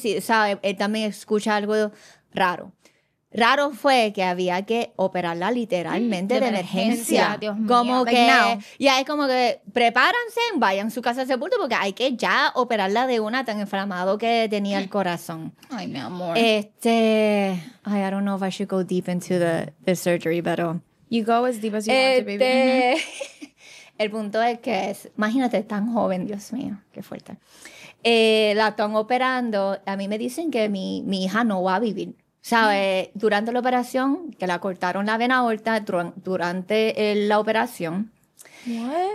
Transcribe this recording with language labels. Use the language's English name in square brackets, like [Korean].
[Spanish] Sí, sabe, él también escucha algo raro. Raro fue que había que operarla literalmente de emergencia. Dios mío. Como like que, ya es como que prepárense, vayan a su casa de sepulto porque hay que ya operarla de una tan inflamado que tenía el corazón. Ay, mi amor. [English] I don't know if I should go deep into the surgery, but... You go as deep as you want to, baby. [Spanish] El punto es que es, imagínate, tan joven, Dios mío, qué fuerte. La están operando, a mí me dicen que mi hija no va a vivir. ¿Sabes? Durante la operación, que la cortaron la vena aorta durante la operación. ¿Qué?